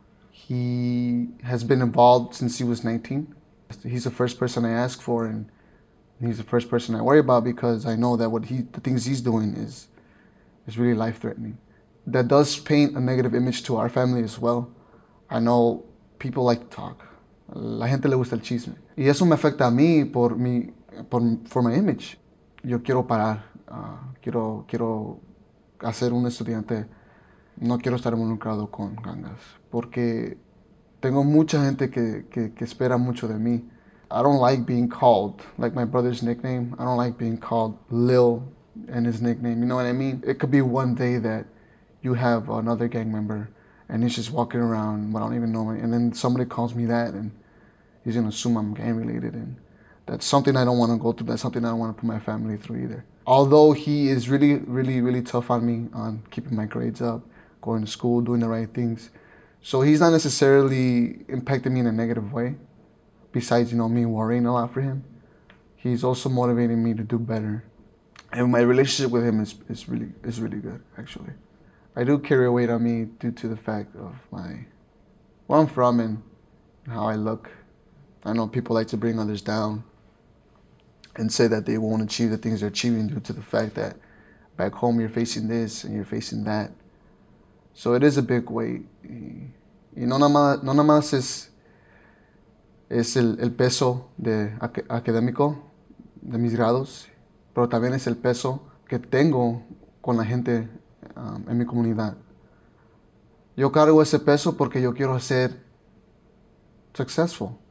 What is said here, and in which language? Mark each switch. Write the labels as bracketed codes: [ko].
[en] He has been involved since he was 19. He's the first person I ask for, and he's the first person I worry about, because I know that the things he's doing is really life-threatening. That does paint a negative image to our family as well. I know people like to talk. [es] La gente le gusta el chisme. Y eso me afecta a mí, por [en] my image. [es] Yo quiero parar. Quiero hacer un estudiante. No quiero estar involucrado con gangas. Porque tengo mucha gente que espera mucho de mí. [en] I don't like being called, like my brother's nickname. I don't like being called Lil and his nickname. You know what I mean? It could be one day that you have another gang member and he's just walking around, but I don't even know him. And then somebody calls me that and he's going to assume I'm gang related. And that's something I don't want to go through. That's something I don't want to put my family through either. Although he is really, really, really tough on me on keeping my grades up, going to school, doing the right things. So he's not necessarily impacting me in a negative way. Besides, you know, me worrying a lot for him, he's also motivating me to do better. And my relationship with him is really good, actually. I do carry a weight on me due to the fact of my where I'm from and how I look. I know people like to bring others down and say that they won't achieve the things they're achieving due to the fact that back home you're facing this and you're facing that. So it is a big weight. [es] Y no nada más es el peso de académico de mis grados, pero también es el peso que tengo con la gente en mi comunidad. Yo cargo ese peso porque yo quiero ser successful.